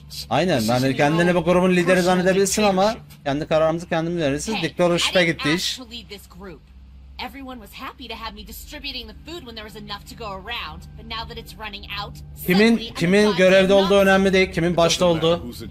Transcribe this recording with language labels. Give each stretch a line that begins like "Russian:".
Turkish: Aynen, yani kendini bu grubun lideri zannedebilirsin ama kendi kararımızı kendimiz veririz. Diktör şüphe gitti iş.
English: Everyone was happy to have me distributing the food when there was enough to go around, but now that it's running out.
Turkish: Kimin görevde olduğu önemli değil, kimin başta olduğu.